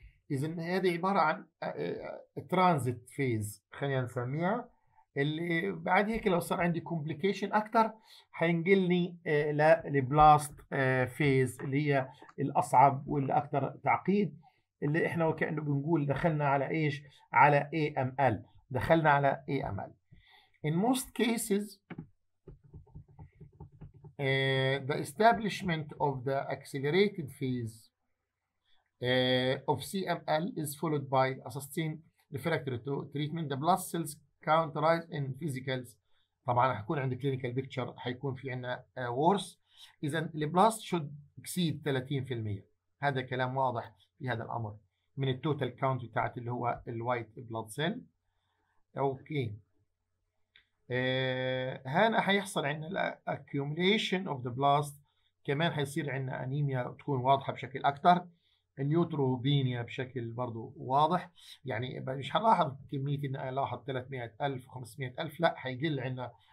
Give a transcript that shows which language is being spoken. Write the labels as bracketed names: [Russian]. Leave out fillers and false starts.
[Arabic] اذا هذه عباره عن ترانزيت فيز خلينا نسميها، اللي بعد هيك لو صار عندي كومبليكيشن اكثر حينقلني للبلاست فيز اللي هي الاصعب والاكثر تعقيد، اللي احنا وكأنه بنقول دخلنا على ايش؟ على AML، دخلنا على AML. [English] In most cases the establishment of the accelerated phase of CML is followed by a sustained refractory treatment. The blast cells count rise in physicals. [Arabic] طبعا حيكون عند clinical picture حيكون في عندنا worse. [English] إذا the blast should exceed 30%. [Arabic] هذا كلام واضح في هذا الامر من التوتال كاونت بتاعت اللي هو الوايت بلاد سيل. اوكي، هنا حيحصل عندنا الاكيوميليشن اوف ذا بلاست، كمان حيصير عندنا انيميا تكون واضحه بشكل اكثر، النيوتروبينيا بشكل برضه واضح، يعني مش هلاحظ كميه اني الاحظ 300,000 و500,000، لا حيقل عندنا